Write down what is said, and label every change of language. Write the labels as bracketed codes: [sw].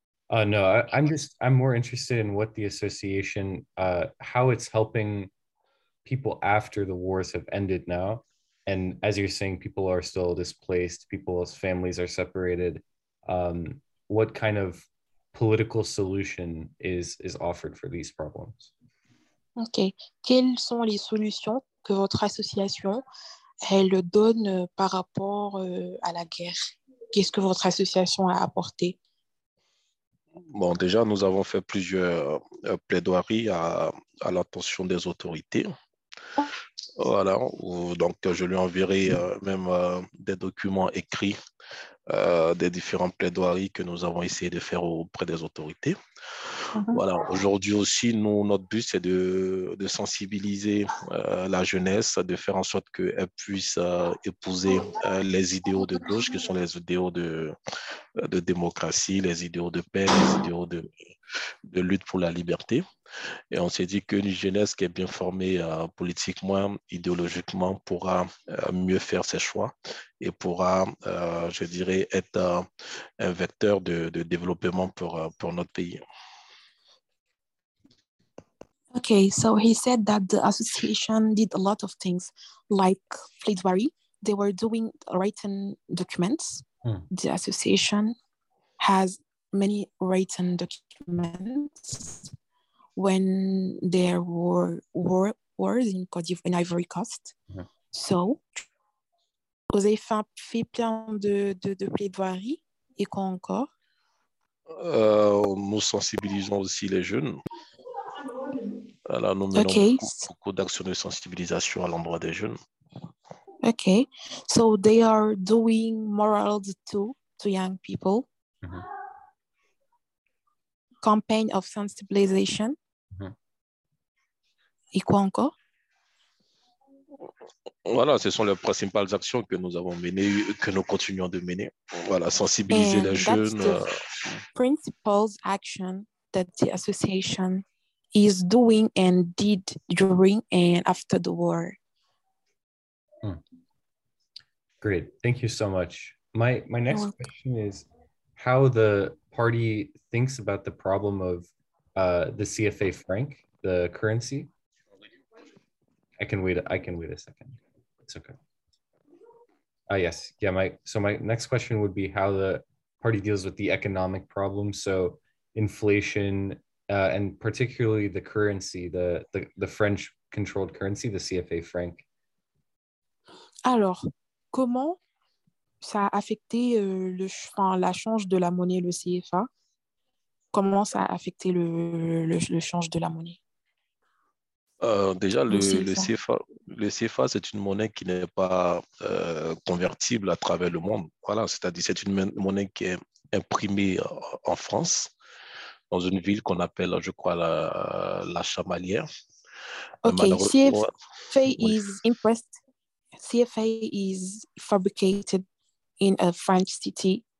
[en] No, I'm more interested in what the association, how it's helping people after the wars have ended now. And as you're saying, people are still displaced, people's families are separated. what kind of political solution is offered for these problems? Okay. [fr] Quelles sont les solutions que votre association elle donne par rapport à la guerre? Qu'est-ce que votre association a apporté? Bon, déjà, nous avons fait plusieurs plaidoiries à l'attention des autorités. Voilà, donc je lui enverrai même des documents écrits des différentes plaidoiries que nous avons essayé de faire auprès des autorités. Mm-hmm. Voilà, aujourd'hui aussi, nous, notre but, c'est de sensibiliser la jeunesse, de faire en sorte qu'elle puisse épouser les idéaux de gauche, qui sont les idéaux de démocratie, les idéaux de paix, les idéaux de lutte pour la liberté. Et on s'est dit qu'une jeunesse qui est bien formée politiquement, idéologiquement, pourra mieux faire ses choix et pourra, je dirais, être un vecteur de développement pour notre pays. [en] Okay, so he said that the association did a lot of things, like pleidoiry. They were doing written documents. Hmm. The association has many written documents. When there were wars in Côte d'Ivoire, in Ivory Coast. Yeah. [fr] So, vous avez fait plein de plaidoiries et quoi encore? Nous sensibilisons aussi les jeunes. Alors, nous menons okay. beaucoup d'actions de sensibilisation à l'endroit des jeunes. [en] Okay, so they are doing morals too to young people. Mm-hmm. Campaign of sensibilization. [fr] Et quoi encore? Voilà, ce sont les principales actions que nous avons menées, que nous continuons de mener. Voilà, sensibiliser les jeunes. [en] Principal action that the association is doing and did during and after the war. Hmm. Great, thank you so much. My next You're question welcome. Is how the party thinks about the problem of the CFA franc, the currency. I can wait a second. It's okay. Yes. Yeah, my next question would be how the party deals with the economic problem. So inflation and particularly the currency, the French controlled currency, the CFA franc. [fr] Alors, comment ça a affecté la change de la monnaie, le CFA? Comment ça a affecté le change de la monnaie? Déjà, le CFA, c'est une monnaie qui n'est pas convertible à travers le monde. Voilà, c'est-à-dire, c'est une monnaie qui est imprimée en France, dans une ville qu'on appelle, je crois, la Chamalière. [en] OK, CFA, is impressed. CFA is fabricated in a French city.